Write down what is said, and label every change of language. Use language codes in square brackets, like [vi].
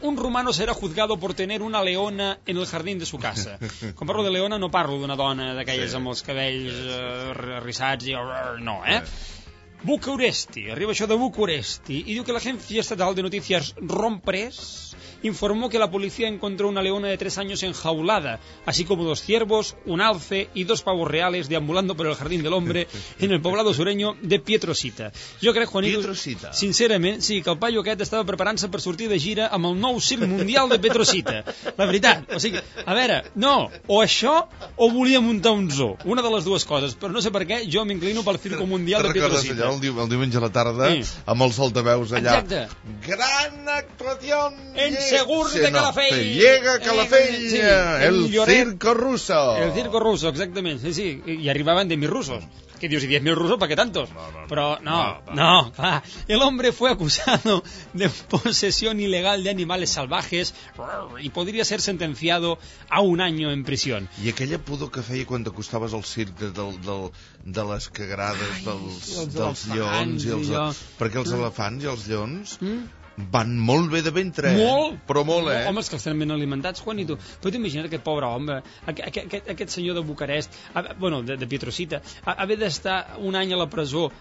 [es] Un romano será juzgado por tener una leona en el jardín de su casa. [ca] Quan parlo de leona no parlo d'una dona d'aquelles, sí, amb els cabells rissats i... No, eh? Sí. Bucuresti. Arriba això de Bucuresti. I diu que l'Agència Estatal de Notícies [es] Rompres informó que la policía encontró una leona de 3 años enjaulada, así como 2 ciervos, un alce y 2 pavos reales deambulando por el jardín del hombre en el poblado sureño de Pietrosita. [ca] Jo crec, Juanito, Pietrosita. Sincerament, sí, que el paio aquest estava preparant-se per sortir de gira amb el nou circ mundial de Pietrosita. La veritat, o sigui, a veure, no, o això, o volia muntar un zoo. Una de les dues coses, però no sé per què, jo m'inclino pel circ mundial de Pietrosita. Recordes allò, el diumenge a la tarda, sí, amb els altaveus allà? Exacte. Gran actuació! Segur de Calafell. [es] No, llega Calafell, sí, el circo ruso. El circo ruso, [ca] exactament. Sí, sí, i arribaven 10.000 russos. Que dius, i 10.000 russos, [es] ¿para qué tantos? [ca] No, clar. [es] El hombre fue acusado de posesión ilegal de animales salvajes y podría ser sentenciado a 1 año en prisión. [ca] I aquella pudor que feia quan t'acostaves al circ de les cagrades dels lleons. Perquè els elefants i els lleons... van molt bé de ventre, molt, però molt, eh? Home, és que els tenen ben alimentats, Juan, i tu. Però t'imagina't aquest pobre home, aquest senyor de Bucarest, de Pietrosita, haver d'estar 1 any a la presó.